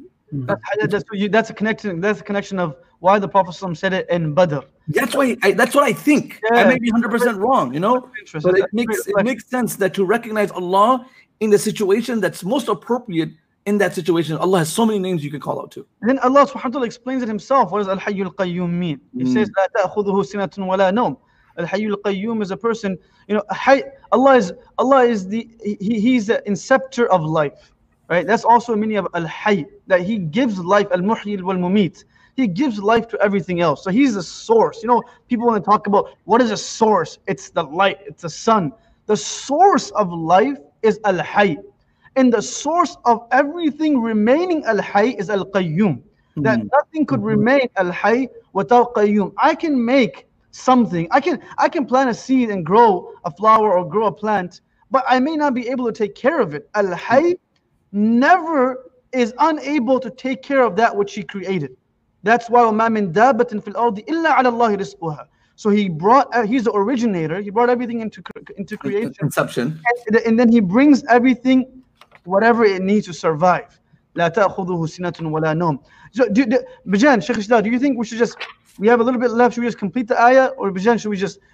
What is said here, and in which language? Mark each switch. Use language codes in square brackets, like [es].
[en] That's a connection of why the Prophet said it in Badr. That's what I think. Yeah. I may be 100% wrong, you know? But it makes sense that to recognize Allah in the situation that's most appropriate in that situation. Allah has so many names you can call out to. And then Allah subhanahu wa ta'ala explains it himself. What does Al-Hayyul Qayyum mean? He says, [ar] لَا تَأْخُذُهُ سِنَةٌ وَلَا نَوْمٌ. [en] Al-Hayyu al-Qayyum is a person, you know, Allah is the inceptor of life, right? That's also a meaning of Al-Hayy, that He gives life, Al-Muhyil wal-Mumit. He gives life to everything else. So He's the source. You know, people want to talk about, what is a source? It's the light, it's the sun. The source of life is Al-Hayy. And the source of everything remaining Al-Hayy is Al-Qayyum. Mm-hmm. That nothing could mm-hmm. remain Al-Hayy without Qayyum. I can make something. I can plant a seed and grow a flower or grow a plant, but I may not be able to take care of it. Al-Hayy never is unable to take care of that which he created. That's why [ar] وَمَا مِن دَابَةٍ فِي الْأَرْضِ إِلَّا عَلَى اللَّهِ رِزْقُهَا. [en] So he brought, he's the originator, he brought everything into creation. Inception. And then he brings everything, whatever it needs to survive. [ar] لَا تَأْخُذُهُ سِنَةٌ وَلَا نَوْمٌ. [en] So Bijan, Sheikh Ishtar, do you think we should just, we have a little bit left. Should we just complete the ayah, or Bijan, should we just?